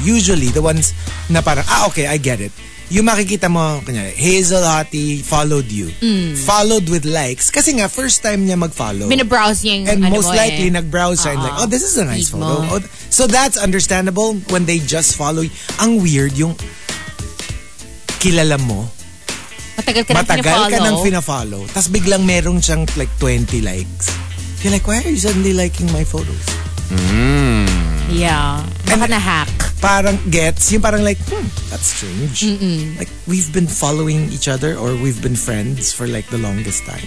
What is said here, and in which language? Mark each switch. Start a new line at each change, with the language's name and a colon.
English: Usually, the ones na parang, okay, I get it.
Filipino: Yung makikita mo, kanyari, Hazel Hottie
English: followed you.
Filipino: Mm.
English: Followed with likes.
Filipino: Kasi nga, first time niya mag-follow. Binabrowse niya
English: and
Filipino: ano
English: most likely,
Filipino: Nag-browse siya.
English: And like, oh, this is a nice Feed photo. Oh, so that's understandable when they just follow you.
Filipino: Ang weird yung kilala mo. Matagal ka nang fina-follow. Tapos biglang meron siyang like 20 likes.
English: You're like, why are you suddenly liking my photos?
Filipino: Yeah. Baka na hack. Parang gets. Yung parang
English: like, that's strange. Mm-mm. Like, we've been following each other or we've been friends for like the longest time.